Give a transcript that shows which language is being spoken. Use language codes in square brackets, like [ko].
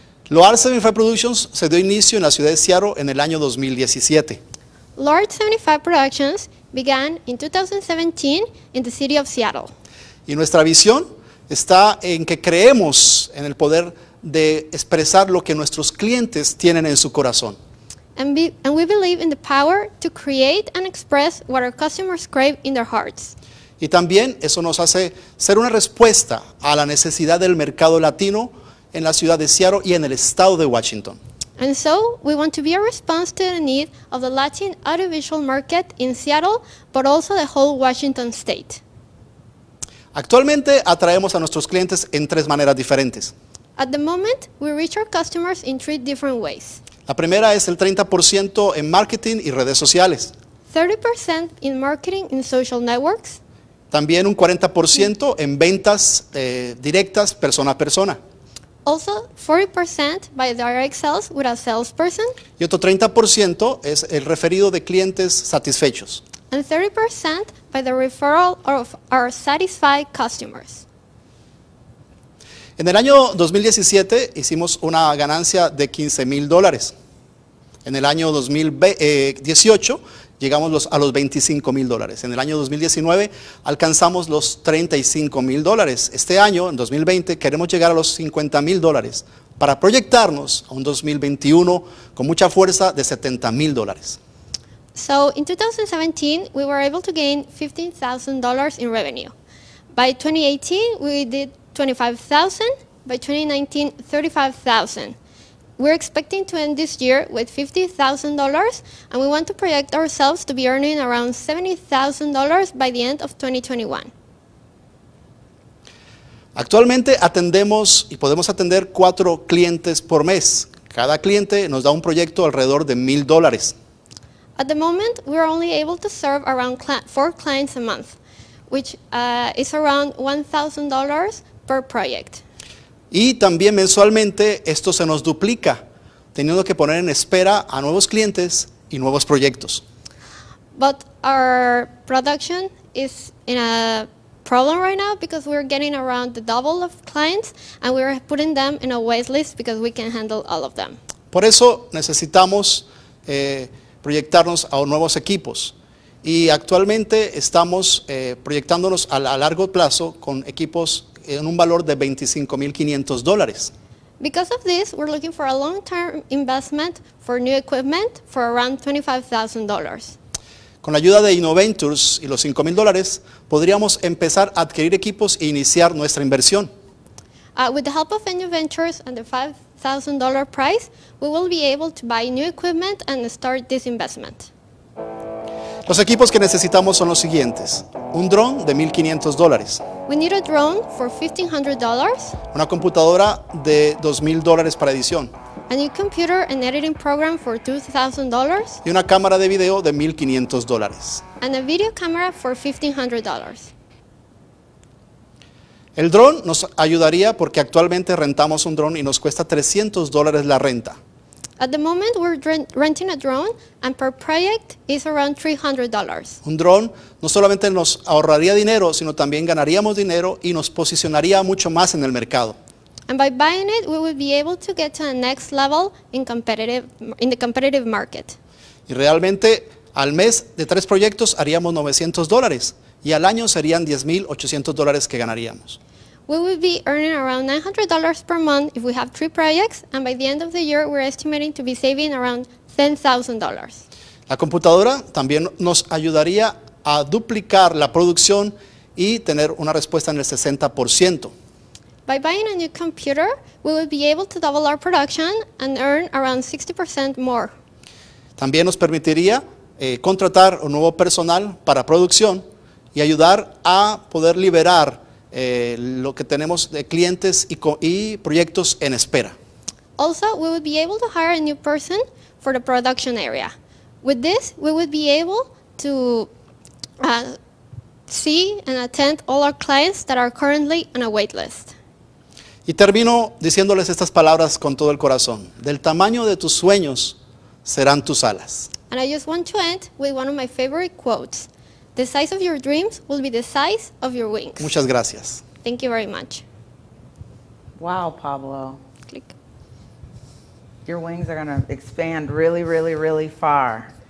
[es] Lord 75 Productions se dio inicio en la ciudad de Seattle en el año 2017. [en] Lord 75 Productions began in 2017 in the city of Seattle. [es] Y nuestra visión está en que creemos en el poder de expresar lo que nuestros clientes tienen en su corazón. [en] And we believe in the power to create and express what our customers crave in their hearts. [es] Y también eso nos hace ser una respuesta a la necesidad del mercado latino en la ciudad de Seattle y en el estado de Washington. [en] And so, we want to be a response to the need of the Latin audiovisual market in Seattle, but also the whole Washington state. [es] Actualmente, atraemos a nuestros clientes en tres maneras diferentes. [en] At the moment, we reach our customers in three different ways. [es] La primera es el 30% en marketing y redes sociales. [en] 30% in marketing and social networks. [es] También un 40% en ventas directas, persona a persona. [en] Also, 40% by direct sales with a salesperson. [es] Y otro 30% es el referido de clientes satisfechos. [en] And 30% by the referral of our satisfied customers. [es] En el año 2017 hicimos una ganancia de $15,000. En el año 2018 llegamos a los $25,000. En el año 2019 alcanzamos los $35,000. Este año, en 2020, queremos llegar a los $50,000 para proyectarnos a un 2021 con mucha fuerza de $70,000. [en] So, in 2017, we were able to gain $15,000 in revenue. By 2018, we did $25,000. By 2019, $35,000. We're expecting to end this year with $50,000, and we want to project ourselves to be earning around $70,000 by the end of 2021. [es] Actualmente atendemos y podemos atender 4 clientes por mes. Cada cliente nos da un proyecto alrededor de $1,000. [en] At the moment, we're only able to serve around 4 clients a month, which is around $1,000 per project. [es] Y también mensualmente esto se nos duplica, teniendo que poner en espera a nuevos clientes y nuevos proyectos. [en] But our production is in a problem right now because we're getting around the double of clients and we're putting them in a wait list because we can handle all of them. [es] Por eso necesitamos proyectarnos a nuevos equipos. Y actualmente estamos proyectándonos a largo plazo con equipos en un valor de $25,500. [en] Because of this, we're looking for a long-term investment for new equipment for around $25,000. [es] Con la ayuda de InnoVentures y los $5,000, podríamos empezar a adquirir equipos e iniciar nuestra inversión. [en] With the help of InnoVentures and the $5,000 price, we will be able to buy new equipment and start this investment. [es] Los equipos que necesitamos son los siguientes. Un dron de $1,500. [en] We need a drone for $1,500. [es] Una computadora de $2,000 para edición. [en] A new computer and editing program for $2,000. [es] Y una cámara de video de $1,500. [en] And a video camera for $1,500. [es] El dron nos ayudaría porque actualmente rentamos un dron y nos cuesta $300 la renta. [en] At the moment, we're renting a drone, and per project is around $300. [es] Un drone no solamente nos ahorraría dinero, sino también ganaríamos dinero y nos posicionaría mucho más en el mercado. [en] And by buying it, we would be able to get to the next level in the competitive market. [es] Y realmente, al mes de 3 proyectos haríamos $900, y al año serían $10,800 que ganaríamos. [en] We will be earning around $900 per month if we have 3 projects, and by the end of the year, we're estimating to be saving around $10,000. [es] La computadora también nos ayudaría a duplicar la producción y tener una respuesta en el 60%. [en] By buying a new computer, we will be able to double our production and earn around 60% more. [es] También nos permitiría contratar un nuevo personal para producción y ayudar a poder liberar lo que tenemos de clientes y proyectos en espera. [en] Also, we would be able to hire a new person for the production area. With this, we would be able to see and attend all our clients that are currently on a wait list. [es] Y termino diciéndoles estas palabras con todo el corazón. Del tamaño de tus sueños serán tus alas. [en] And I just want to end with one of my favorite quotes. The size of your dreams will be the size of your wings. [es] Muchas gracias. [en] Thank you very much. Wow, Pablo. Click. Your wings are going to expand really, really, really far.